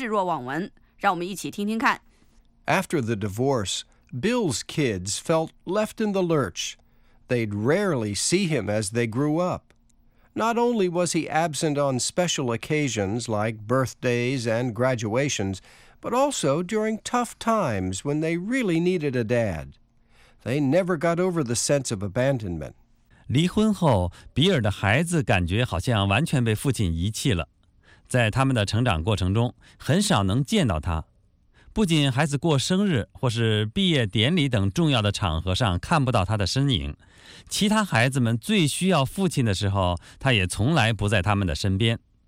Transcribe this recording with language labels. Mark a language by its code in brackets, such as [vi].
[zh] 在刚才的例子里，我们提到一位老师为了学生的利益，宁可暂时和丈夫分开，也不愿意在学期结束前辞职。但有些人却能对自己亲生骨肉的利益都置若罔闻。让我们一起听听看。 [en] After the divorce, Bill's kids felt left in the lurch. They'd rarely see him as they grew up. Not only was he absent on special occasions like birthdays and graduations, but also during tough times when they really needed a dad. They never got over the sense of abandonment. [zh] 离婚后, 比尔的孩子感觉好像完全被父亲遗弃了。在他们的成长过程中,很少能见到他。不仅孩子过生日或是毕业典礼等重要的场合上看不到他的身影,其他孩子们最需要父亲的时候,他也从来不在他们的身边。